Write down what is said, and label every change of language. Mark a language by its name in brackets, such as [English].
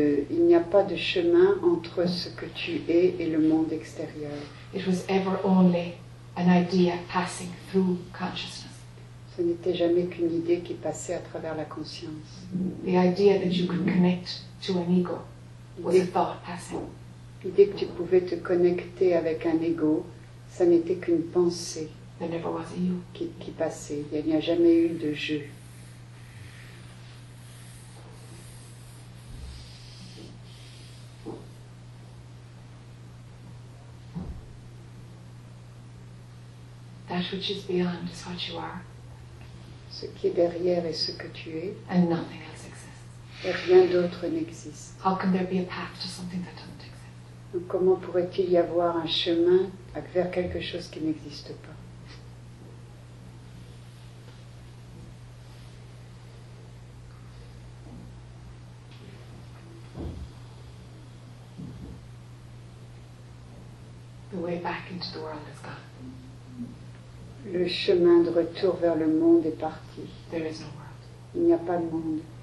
[French] Il n'y a pas de chemin entre ce que tu es et le monde extérieur. [English] It was ever only an idea passing through consciousness. [French] Ce n'était jamais qu'une idée qui passait à travers la conscience. [English] The idea that you could connect to an ego was a thought passing. [French] L'idée que tu pouvais te connecter avec un ego, ça n'était qu'une pensée. [English] There never was a you. [French] Qui passait. Il n'y a jamais eu de je. [English] That which is beyond is what you are. [French] Ce qui est derrière est ce que tu es. [English] And nothing else exists. [French] Et rien d'autre n'existe. [English] How can there be a path to something that doesn't exist? [French] Donc comment pourrait-il y avoir un chemin vers quelque chose qui n'existe pas? [English] The way back into the world is gone. [French] Le chemin de retour vers le monde est parti. [English] There is no world. [French] Il n'y a pas de monde.